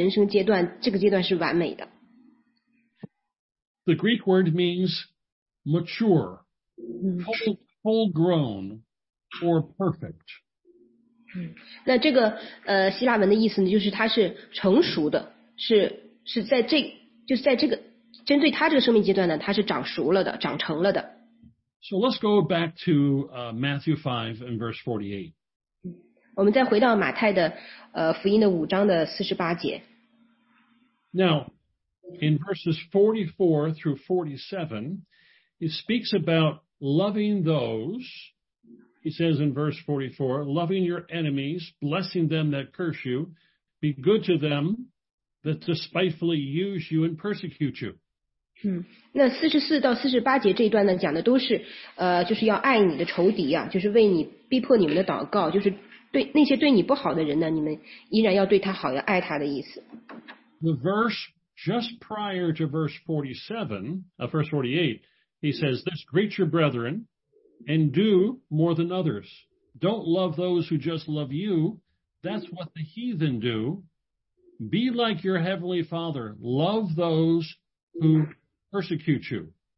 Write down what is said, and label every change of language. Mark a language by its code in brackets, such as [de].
[zh] 那比如说我们看到一个婴儿呢，我们说哦，这个婴儿真的很完美啊，就是他在他的人生阶段，这个阶段是完美的. [en] The Greek word means mature. Full grown or perfect. [zh] 那这个希腊文的意思呢，就是它是成熟的，是在这个针对他这个生命阶段呢，它是长熟了的，长成了的。 [en] So let's go back to Matthew 5 and verse 48. [zh] 我们再回到马太的福音的五章的四十八节。 [en] Now, in verses 44 through 47, he speaks about loving those. He says in verse 44, loving your enemies, blessing them that curse you, be good to them that despitefully use you and persecute you. [zh] 那44到48节这一段呢，讲的都是就是要爱你的仇敌啊，就是为你逼迫你们的祷告，就是对那些对你不好的人呢，你们依然要对他好，要爱他的意思。 [en] The verse just prior to verse 47, verse 48, he says, this greet your brethren and do more than others. Don't love those who just love you. That's what the heathen do. Be like your heavenly father. Love those who persecute you.